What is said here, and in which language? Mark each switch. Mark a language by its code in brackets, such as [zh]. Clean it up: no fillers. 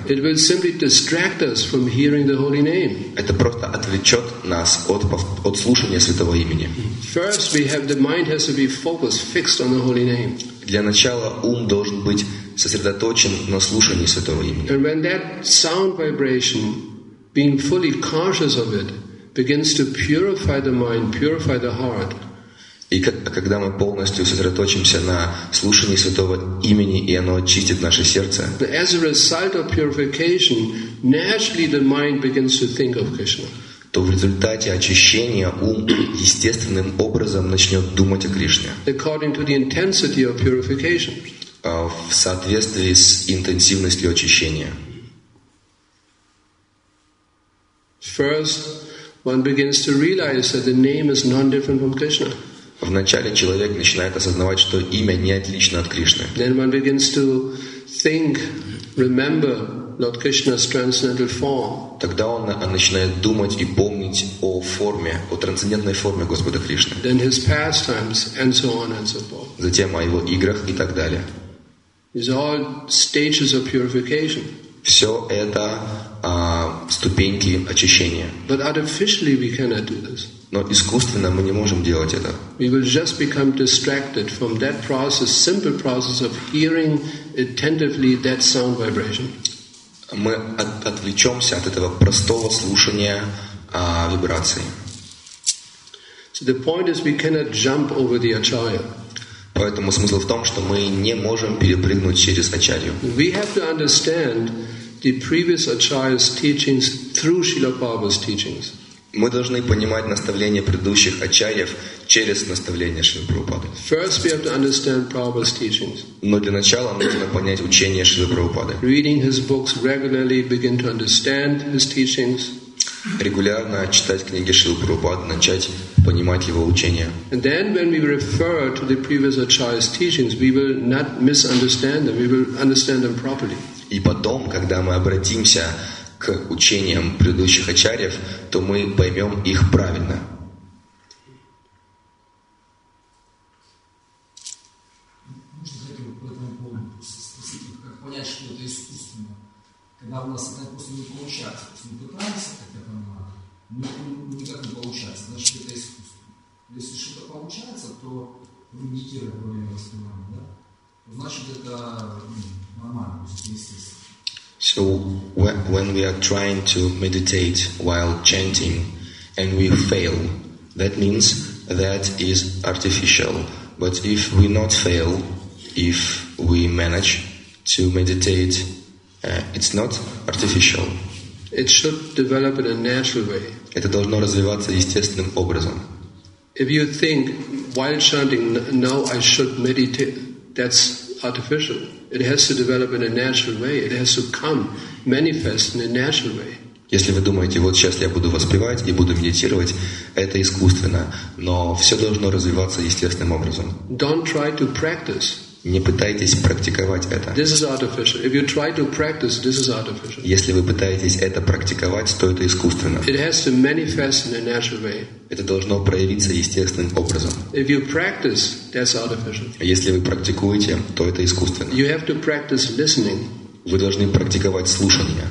[en] It will simply distract us from hearing the holy name. [ru] Это просто отвлечет нас от слушания святого имени. [en] First, we have the mind has to be focused, fixed on the holy name. [ru] Для начала ум должен быть сосредоточен на слушании святого имени. [en] And when that sound vibration, being fully conscious of it, begins to purify the mind, purify the heart. [ru] И когда мы полностью сосредоточимся на слушании святого имени, и оно очистит наше сердце. [en] As a result of purification, naturally the mind begins to think of Krishna. [ru] То в результате очищения ум естественным образом начнет думать о Кришне. [en] According to the intensity of purification. [ru] В соответствии с интенсивностью очищения. [en] First, one begins to realize that the name is non-different from Krishna. [ru] Вначале человек начинает осознавать, что имя не отлично от Кришны. [en] Then one begins to think, remember Lord Krishna's transcendental form. [ru] Тогда он начинает думать и помнить. помнить о форме, о трансцендентной форме Господа Кришны. [en] Then his pastimes and so on and so forth. [ru] Затем о его играх и так далее. [en] These are all stages of purification. [ru] Все это ступеньки очищения. [en] But artificially we cannot do this. [ru] Но искусственно мы не можем делать это. [en] We will just become distracted from that process, simple process of hearing attentively that sound vibration. [ru] Мы отвлечемся от этого простого слушания вибраций. [en] So the point is we cannot jump over the acharya. [ru] Поэтому смысл в том, что мы не можем перепрыгнуть через ачарью. [en] We have to understand the previous acharya's teachings through Srila Prabhupada's teachings. [ru] Мы должны понимать наставления предыдущих ачарьев через наставления Шрилы Прабхупады. [en] First we have to understand Prabhupada's teachings. [ru] Но для начала нужно понять учение Шрилы Прабхупады. [en] Reading his books regularly, begin to understand his teachings. [ru] Регулярно читать книги Шрилы Прабхупады, начать понимать его учение. [en] And then when we refer to the previous acharya's teachings, we will not misunderstand them, we will understand them properly. [ru] И потом, когда мы обратимся к учениям предыдущих ачарьев, то мы поймем их правильно. Можно хотя бы по этому поводу спросить, как понять, что это искусственно? Когда у нас это просто не получается, мы пытаемся, как это надо, но никак не получается, значит, это искусственно. Если что-то получается, то медитируя во время воспринимания, да? Значит, это нормально, естественно. [en] So when we are trying to meditate while chanting and we fail, that means that is artificial. But if we not fail, if we manage to meditate, it's not artificial. It should develop in a natural way. [ru] Это должно развиваться естественным образом. [en] If you think while chanting, now I should meditate, that's artificial. It has to develop in a natural way. It has to come, manifest in a natural way. [ru] Если вы думаете, вот сейчас я буду воспевать и буду медитировать, это искусственно, но все должно развиваться естественным образом. [en] Don't try to practice. [ru] Не пытайтесь практиковать это. [en] This is artificial. If you try to practice, this is artificial. [ru] Если вы пытаетесь это практиковать, то это искусственно. [en] It has to manifest in a natural way. [ru] Это должно проявиться естественным образом. [en] If you practice, that's artificial. [ru] Если вы практикуете, то это искусственно. [en] You have to practice listening. [ru] Вы должны практиковать слушание.